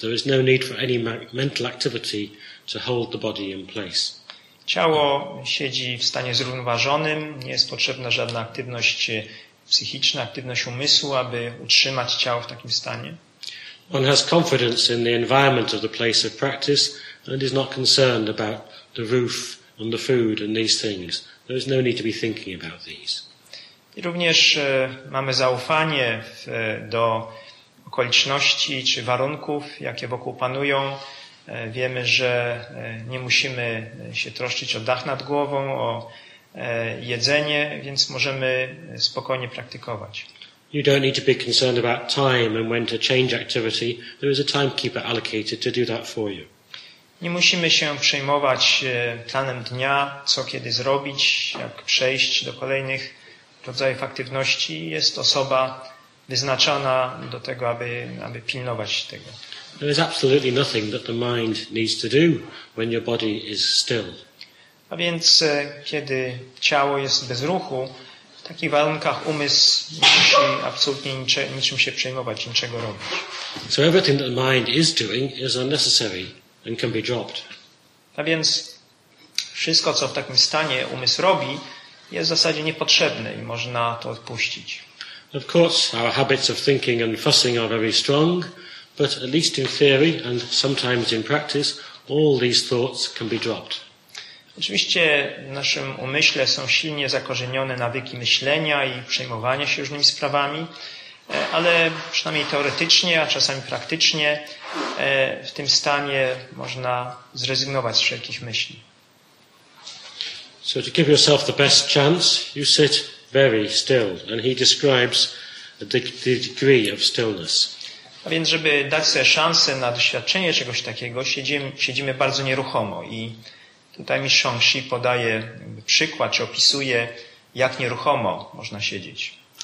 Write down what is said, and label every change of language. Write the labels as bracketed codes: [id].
[en] There is no need for any mental activity to hold the body in place. [pl] Ciało siedzi w stanie zrównoważonym. Nie jest potrzebna żadna aktywność psychiczna, aktywność umysłu, aby utrzymać ciało w takim stanie. [en] One has confidence in the environment of the place of practice and is not concerned about the roof and the food and these things. There is no need to be thinking about these. [pl] I również mamy zaufanie do okoliczności czy warunków, jakie wokół panują. Wiemy, że nie musimy się troszczyć o dach nad głową, o jedzenie, więc możemy spokojnie praktykować. [en] You don't need to be concerned about time and when to change activity. There is a timekeeper allocated to do that for you. [pl] Nie musimy się przejmować planem dnia, co kiedy zrobić, jak przejść do kolejnych rodzajów aktywności. Jest osoba wyznaczana do tego, aby pilnować tego. [en] There is absolutely nothing that the mind needs to do when your body is still. [pl] A więc kiedy ciało jest bez ruchu, w takich warunkach umysł nie musi absolutnie niczym się przejmować, niczego robić. [en] So everything that the mind is doing is unnecessary and can be dropped. [pl] A więc wszystko, co w takim stanie umysł robi, jest w zasadzie niepotrzebne i można to odpuścić. [en] Of course, our habits of thinking and fussing are very strong, but at least in theory and sometimes in practice, all these thoughts can be dropped. [pl] Oczywiście w naszym umyśle są silnie zakorzenione nawyki myślenia i przejmowania się różnymi sprawami, ale przynajmniej teoretycznie, a czasami praktycznie, w tym stanie można zrezygnować z wszelkich myśli. [en] So to give yourself the best chance, you sit very still, and he describes the degree of stillness. [pl] A więc, żeby dać sobie szansę na doświadczenie czegoś takiego, siedzimy bardzo nieruchomo. I tutaj mistrz Hongxi podaje przykład, czy opisuje, jak nieruchomo można siedzieć.